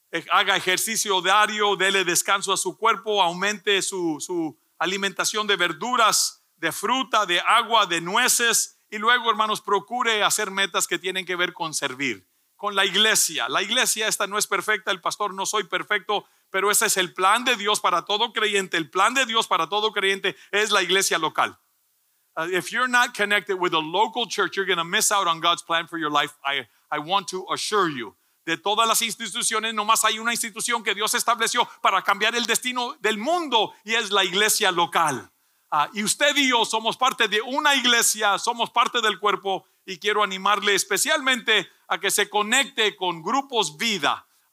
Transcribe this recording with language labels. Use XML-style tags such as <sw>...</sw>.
<es>Haga ejercicio diario, dele descanso a su cuerpo, aumente su alimentación de verduras, de fruta, de agua, de nueces. Y luego, hermanos, procure hacer metas que tienen que ver con servir, con la iglesia. La iglesia esta no es perfecta, el pastor no soy perfecto, pero ese es el plan de Dios para todo creyente. El plan de Dios para todo creyente es la iglesia local.</es> <en>If you're not connected with a local church, you're going to miss out on God's plan for your life. I want to assure you.</en> <es>De todas las instituciones, nomás hay una institución que Dios estableció para cambiar el destino del mundo, y es la iglesia local. Y usted y yo somos parte de una iglesia, somos parte del cuerpo, y quiero animarle especialmente a que se conecte con Grupos Vida.</es>